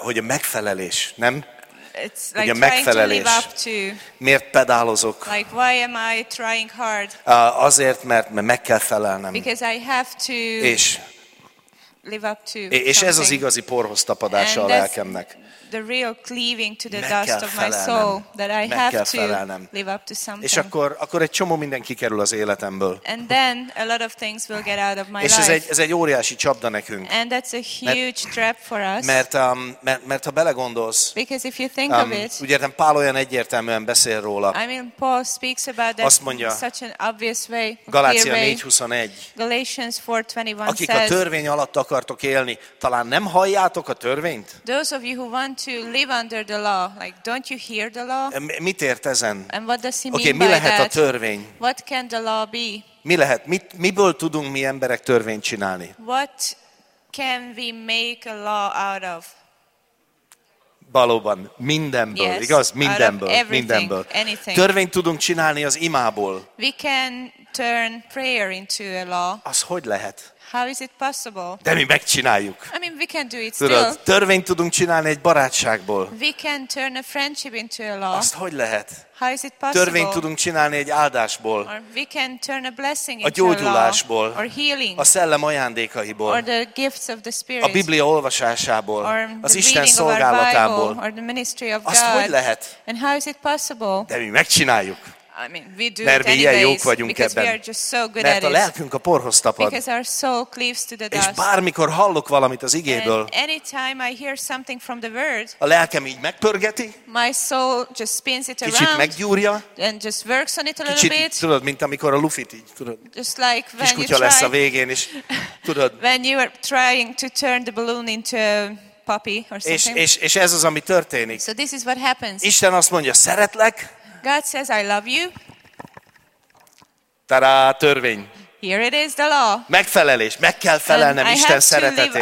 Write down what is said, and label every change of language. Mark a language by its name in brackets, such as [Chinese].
[Hungarian] Hogy a megfelelés, nem? [English] It's like trying megfelelés. To live up to. [Hungarian] Miért pedálozok? [English] Like why am I trying hard? [Hungarian] Azért, mert meg kell felelnem. [English] Because I have to. [Hungarian] És [English] live up to. [Hungarian] És ez az igazi porhoz tapadása a lelkemnek. [English] The real cleaving to the dust of my soul that I have to live up to something. [Hungarian] És akkor egy csomó minden kikerül az életemből. [English] And then a lot of things will get out of my life. [Hungarian] És ez egy óriási csapda nekünk. [English] And that's a huge trap for us. [Hungarian] Mert ha belegondolsz. [English] Because if you think of it. [Hungarian] Úgy értem, Pál olyan egyértelműen beszél róla. [English] I mean, Paul speaks about that. [Hungarian] Azt mondja, [English] in such an obvious way. [Hungarian] Galácia 4:21. [English] Galatians 4:21 says. [Hungarian] Akik a törvény alatt akartok élni, talán nem halljátok a törvényt? [English] Those of you who want to live under the law, like, don't you hear the law? [Hungarian] Mit ért ezen? [English] And what does he mean by that? [Hungarian] Mi lehet a törvény? [English] What can the law be? [Hungarian] Mi lehet? Miből tudunk mi emberek törvényt csinálni? [English] What can we make a law out of? [Hungarian] Valóban, mindenből, [English] yes, [Hungarian] igaz? Mindenből, mindenből. [English] Anything. [Hungarian] Törvényt tudunk csinálni az imából. [English] We can turn prayer into a law. [Hungarian] Az hogy lehet? [English] How is it possible? [Hungarian] De mi megcsináljuk. [English] I mean, we can do it still. [Hungarian] Tudod, törvényt tudunk csinálni egy barátságból. [English] We can turn a friendship into a law. [Hungarian] Azt hogy lehet? [English] How is it possible? [Hungarian] Törvényt tudunk csinálni egy áldásból. [English] Or we can turn a blessing into [Hungarian] a gyógyulásból. [English] Or healing. [Hungarian] A szellem ajándékaiból. [English] Or the gifts of the spirit. [Hungarian] A Biblia olvasásából. [English] Or [Hungarian] az Isten szolgálatából. [English] Or the ministry of God. [Hungarian] Azt hogy lehet? [English] And how is it possible? [Hungarian] De mi megcsináljuk. [English] I mean, we do [Hungarian] mert [English] it anyways, [Hungarian] mi ilyen jók vagyunk [English] because [Hungarian] ebben. [English] We are just so good [Hungarian] mert [English] at it. [Hungarian] A lelkünk a porhoz tapad. [English] Because our soul cleaves to the dust. [Hungarian] És bármikor hallok valamit az igéből, [English] and anytime I hear something from the word, [Hungarian] a lelkem így megpörgeti, [English] my soul just spins it [Hungarian] kicsit [English] around, [Hungarian] meggyúrja, [English] and just works on it a [Hungarian] kicsit, [English] little bit. [Hungarian] Tudod, mint amikor a lufit így, tudod, [English] just like when [Hungarian] kiskutya [English] you try, [Hungarian] lesz a végén, és tudod. [English] When you are trying to turn the balloon into a puppy or something. [Hungarian] És ez az, ami történik. [English] So this is what happens. [Hungarian] Isten azt mondja, szeretlek, [English] God says, I love you. [Hungarian] Tada, törvény. [English] Here it is, the law. [Hungarian] Megfelelés. Meg kell felelnem Isten szeretetének.